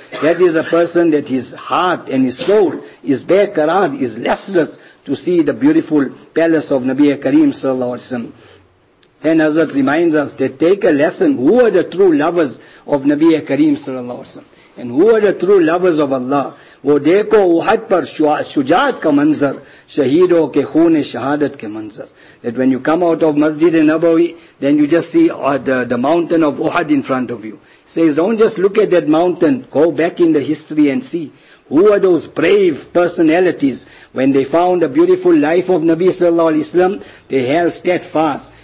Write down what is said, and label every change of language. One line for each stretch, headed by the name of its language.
English: That is a person that his heart and his soul is beqarar, is leftless to see the beautiful palace of Nabi Kareem Sallallahu Alaihi Wasallam. Then Hazrat reminds us that take a lesson, who are the true lovers of Nabi Kareem Sallallahu Alaihi Wasallam? And who are the true lovers of Allah?
Urdu: وہ دیکھو احد پر شجاعت کا منظر شہیدوں کے خون شہادت کے منظر.
English: That when you come out of Masjid Nabawi, then you just see the mountain of Uhud in front of you. He says, don't just look at that mountain, go back in the history and see who are those brave personalities. When they found the beautiful life of Nabi sallallahu alaihi wasallam, they held steadfast.